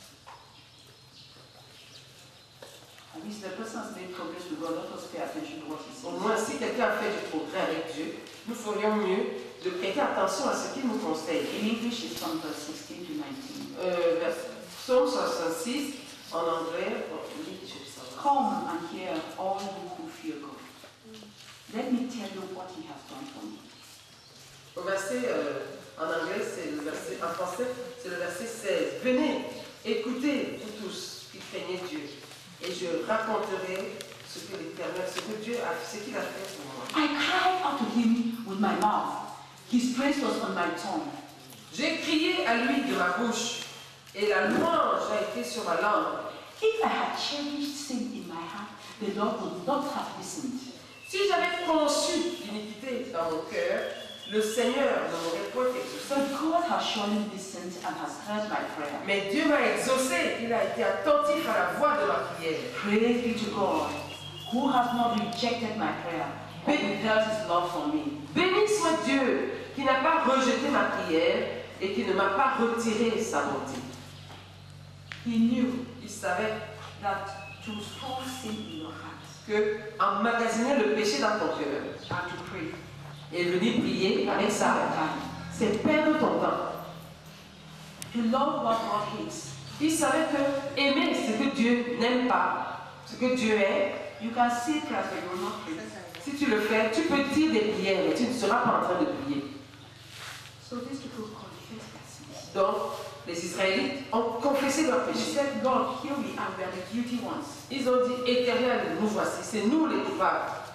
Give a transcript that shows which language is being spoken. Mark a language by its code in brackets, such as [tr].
[en] At least the person has made progress with God. Let us pay attention to what he says. [fr] Au moins, si quelqu'un a fait du progrès avec Dieu, nous ferions mieux de prêter attention à ce qu'il nous conseille. [en] In English, it's from verse 16 to 19. [fr] Psaume 66, en anglais, [en] come and hear all you who fear God. Let me tell you what he has done for me. [fr] Au verset, en anglais, c'est le verset, en français, c'est le verset 16. Venez, écoutez, vous tous qui craignez Dieu. Et je raconterai ce que l'Éternel, ce que Dieu a fait, ce qu'il a fait pour moi. [en] I cried out to him with my mouth. His praise was on my tongue. [fr] J'ai crié à lui de ma bouche, et la louange a été sur ma langue. [en] If I had cherished sin in my heart, the Lord would not have listened. [fr] Si j'avais conçu l'iniquité dans mon cœur, le Seigneur ne m'aurait pas exaucé. [en] God has surely listened and has heard my prayer. [fr] Mais Dieu m'a exaucé. Il a été attentif à la voix de ma prière. [en] Praise be to God, who has not rejected my prayer, but withheld his love for me. [fr] Béni soit Dieu, qui n'a pas rejeté ma prière et qui ne m'a pas retiré sa bonté. [en] He knew, [fr] il savait, [en] that to store sin in your heart, [fr] que emmagasiner le péché dans ton cœur et venir prier avec sa femme, c'est perdre ton temps. [en] To love what God hates. [fr] Il savait que aimer ce que Dieu n'aime pas, ce que Dieu est, [en] you can see it as you're not. [fr] Si tu le fais, tu peux dire des prières, mais tu ne seras pas en train de prier. [en] So these people confessed their sins. [fr] Donc, les Israélites ont confessé leur péché. [en] Said, God, here we are, we are the guilty ones. [fr] Ils ont dit, Éternel, nous voici, c'est nous les coupables.